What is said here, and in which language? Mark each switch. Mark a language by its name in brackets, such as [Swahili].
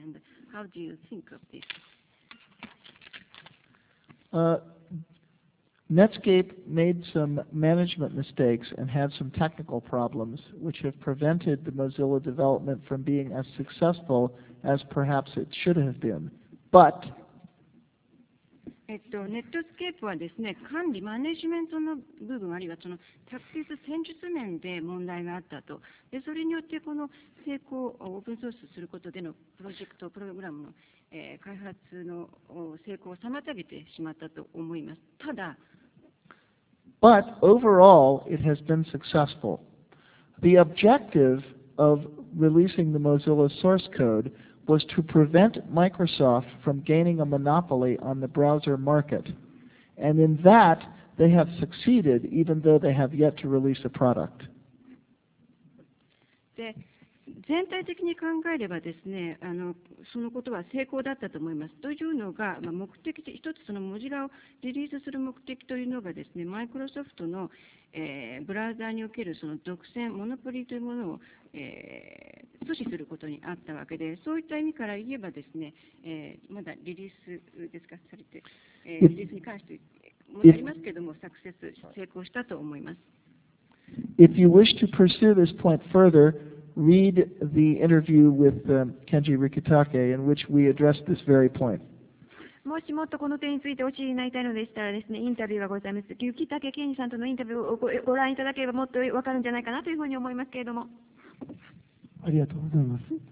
[English] And how do you think of this? Netscape made some management mistakes and had some technical problems, which have prevented the Mozilla development from being as successful as perhaps it should have been. But [Japanese] ネットスケープはですね、管理マネジメントの部分あるいはそのタクティス戦術面で問題があったと。でそれによってこの成功をオープンソースすることでのプロジェクトプログラムの開発の成功を妨げてしまったと思います。ただ、 [English] But overall, it has been successful. The objective of releasing the Mozilla source code was to prevent Microsoft from gaining a monopoly on the browser market. And in that, they have succeeded, even though they have yet to release a product. [Japanese] で全体的に考えればですね、そのことは成功だったと思います。というのが、目的、一つその文字がをリリースする目的というのがですね、マイクロソフトの、ブラウザーにおけるその独占、モノポリというものを、阻止することにあったわけで、そういった意味から言えばですね、まだリリースですか、されて、リリースに関して問題ありますけども、サクセス、成功したと思います。 [English] If you wish to pursue this point further,Read the interview with Kenji Rikitake in which we addressed this very point. [Japanese] もしもっとこの点についてお知りになりたいのでしたらですね、インタビューがございます。ユキタケケンジさんとのインタビューをご覧いただければもっとわかるんじゃないかなというふうに思いますけれども。ありがとうございます。